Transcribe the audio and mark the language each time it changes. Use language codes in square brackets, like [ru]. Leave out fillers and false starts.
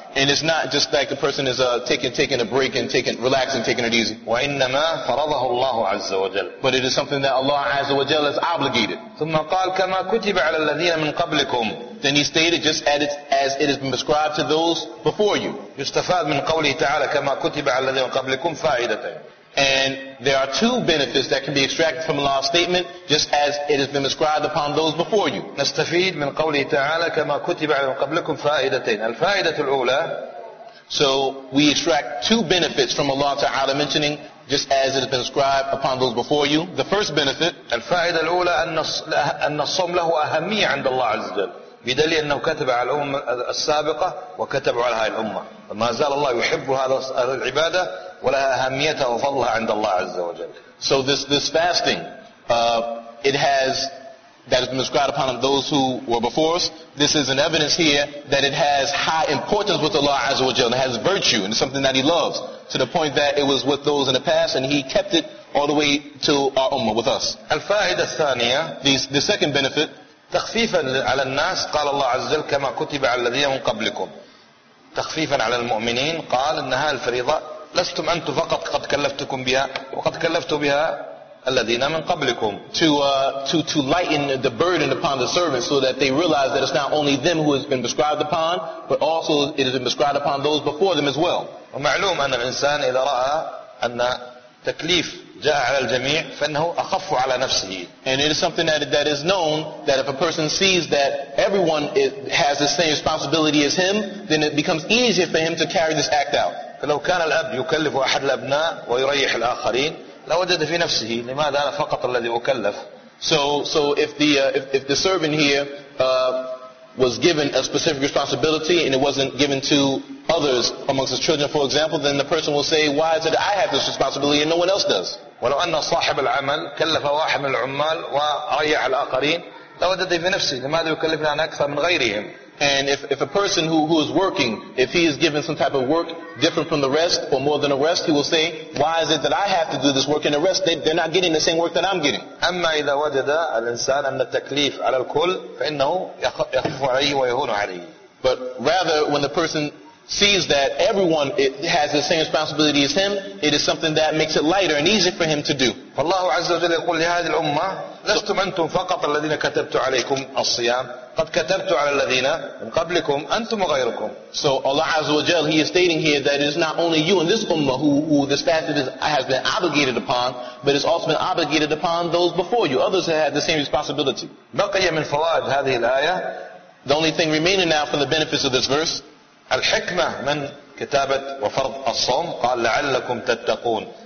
[en] And it's not just like the person is taking a break and taking it easy. [ar] وإنما فرضه الله عز وجل. [en] But it is something that Allah عز وجل has obligated. [ar] ثم قال كما كتب على الذين من قبلكم. [en] Then he stated just as it has been prescribed to those before you. [ar] يستفاد من قوله تعالى كما كتب على الذين من قبلكم فائدتين. [en] And there are two benefits that can be extracted from Allah's statement, just as it has been prescribed upon those before you. [ar] نستفيد من قوله تعالى كما كتب على قبلكم فائدتين. الفائدة الأولى. [en] So we extract two benefits from Allah Ta'ala mentioning, just as it has been prescribed upon those before you. The first benefit. [ar] الفائدة الأولى أن الصوم له أهمية عند الله عز وجل. بدليل أنه كتب على الأمة السابقة وكتب على هذه الأمة، ما زال الله يحب هذا العبادة ولها أهميتها وفضلها عند الله عز وجل. [en] So this fasting, it has that has been prescribed upon those who were before us. This is an evidence here that it has high importance with Allah Azza wa Jalla. It has virtue and it's something that He loves to the point that it was with those in the past and He kept it all the way to our ummah with us. [ar] الفائدة الثانية. [en] The second benefit. [ar] تخفيفا على الناس قال الله عز وجل كما كتب على الذين من قبلكم. تخفيفا على المؤمنين قال إنها الفريضة لستم أنتم فقط قد كلفتكم بها وقد كلفتوا بها الذين من قبلكم. [en] To lighten the burden upon the servants so that they realize that it's not only them who has been prescribed upon, but also it has been prescribed upon those before them as well. [ar] ومعلوم أن الإنسان إذا رأى أن تكليف جاء على الجميع فإنه أخف على نفسه. [en] And it is something that is known that if a person sees that everyone has the same responsibility as him, then it becomes easier for him to carry this act out. [ar] فلو كان الأب يكلف أحد الأبناء ويريح الآخرين لوجد في نفسه لماذا أنا فقط الذي أكلف. [en] So if the servant here was given a specific responsibility and it wasn't given to others amongst his children, for example, then the person will say, why is it I have this responsibility and no one else does? [ar] ولو أن صاحب العمل كلف واحد من العمال وريح الآخرين لوجد في نفسه لماذا يكلفنا أنا أكثر من غيرهم. [en] And if a person who is working, if he is given some type of work different from the rest or more than the rest, he will say, why is it that I have to do this work and the rest, they're not getting the same work that I'm getting. [ar] أما إذا وجد الإنسان أن التكليف على الكل فإنه يخف عليه ويهون عليه. [en] But rather, when the person sees that everyone has the same responsibility as him, it is something that makes it lighter and easier for him to do. [ar] فالله عز وجل يقول لهذه الأمة لستم أنتم فقط الذين كتبت عليكم الصيام قد كتبت على الذين من قبلكم أنتم وغيركم. [en] So Allah Azza wa Jal, He is stating here that it is not only you and this ummah who this fasting has been obligated upon, but it's also been obligated upon those before you. Others have had the same responsibility. [ar] بقي من فوائد هذه الآية. [en] The only thing remaining now from the benefits of this verse. [ar] الحكمة من كتابة وفرض الصوم قال لعلكم تتقون.